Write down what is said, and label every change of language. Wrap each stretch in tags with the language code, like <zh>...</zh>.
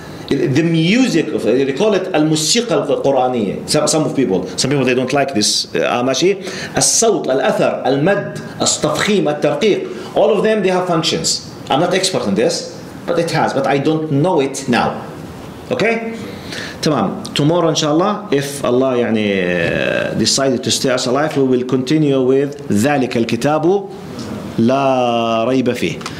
<en>The music of it, they call it</en> <ar>الموسيقى القرآنية.</ar> <en>Some people they don't like this.</en> <ar>ماشي. الصوت, الأثر, المد, التفخيم, الترقيق.</ar> <en>All of them they have functions. I'm not expert in this, but it has. But I don't know it now. Okay?</en> <ar>تمام.</ar> <en>Tomorrow inshallah, if Allah يعني decided to stay us alive, we will continue with</en> <ar>ذلك الكتاب لا ريب فيه.</ar>